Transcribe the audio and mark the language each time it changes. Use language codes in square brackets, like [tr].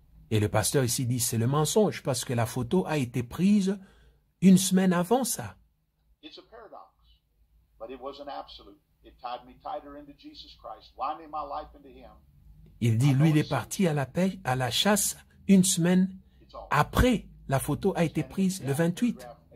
[fr] Et le pasteur ici dit, c'est le mensonge parce que la photo a été prise une semaine avant ça. [en] It's a paradox, but it was an absolute. It tied me tighter into Jesus Christ, winding my life into him. [fr] Il dit, lui, il est parti à la chasse une semaine après la photo a été prise, le 28.